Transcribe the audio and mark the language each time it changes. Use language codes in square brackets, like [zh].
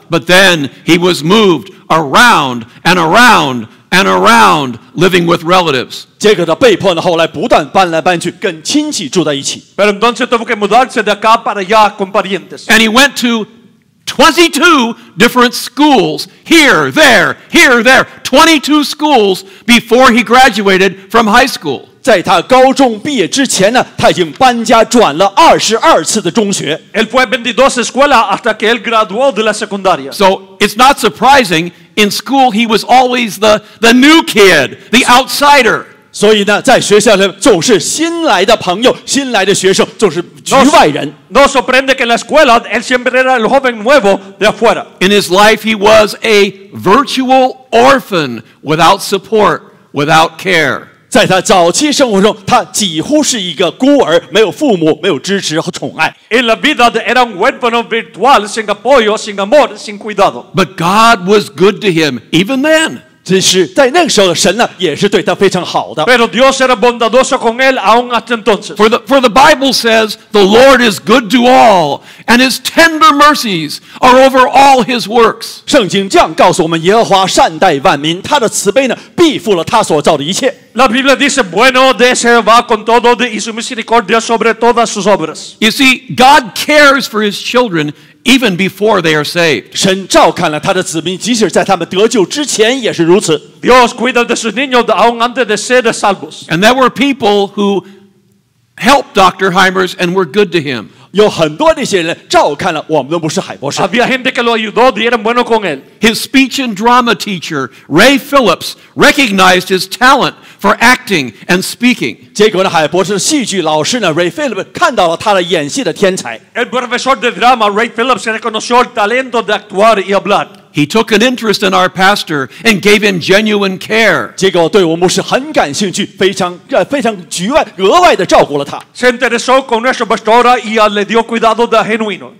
[en] But then he was moved around and around and around living with relatives. [zh] 结果他被迫后来不断搬来搬去跟亲戚住在一起。 [es] Pero entonces tuvo que mudarse de acá para allá con parientes. [en] And he went to 22 different schools, here, there, here, there. 22 schools before he graduated from high school. [zh] 在他高中毕业之前呢, 他已经搬家转了22次的中学。 [es] Él fue 22 escuelas hasta que él graduó de la secundaria. [en] So it's not surprising, in school he was always the new kid, the outsider. [zh] 所以呢, 在学校里面总是新来的朋友, 新来的学生, 总是局外人。 [es] No sorprende que en la escuela él siempre era el joven nuevo de afuera. [en] In his life he was a virtual orphan without support, without care. [zh] 在他早期生活中, 他几乎是一个孤儿, 没有父母, 没有支持和宠爱。 [es] En la vida era un huérfano virtual sin apoyo, sin amor, sin cuidado. [en] But God was good to him even then. [zh] 只是在那个时候神呢也是对他非常好的。 [es] Pero Dios era bondadoso con él aún hasta entonces. [en] For the Bible says the Lord is good to all and his tender mercies are over all his works. [zh] 圣经这样告诉我们耶和华善待万民他的慈悲呢必覆了他所造的一切。 [es] La Biblia dice bueno de Jehová con todo y su misericordia sobre todas sus obras. [en] You see, God cares for his children even before they are saved. [zh] 神照看了他的子民, 即使在他们得救之前也是如此。 [es] Dios cuida de sus niños aún antes de ser salvos. [en] And there were people who helped Dr. Hymers and were good to him. [zh] 有很多那些人照看了我们的牧师海博士。 [es] Había gente que lo ayudó y eran buenos con él. [en] His speech and drama teacher, Ray Phillips, recognized his talent for acting and speaking. [zh] 结果呢, 海博士的戏剧老师呢, Ray Phillips, 看到了他的演戏的天才。 [es] El profesor de drama, Ray Phillips, reconoció el talento de actuar y hablar. [en] He took an interest in our pastor and gave him genuine care. [zh] 结果对我牧师很感兴趣, 非常额外地照顾了他。 [es] Se interesó con nuestra pastora y le dio cuidado de genuino.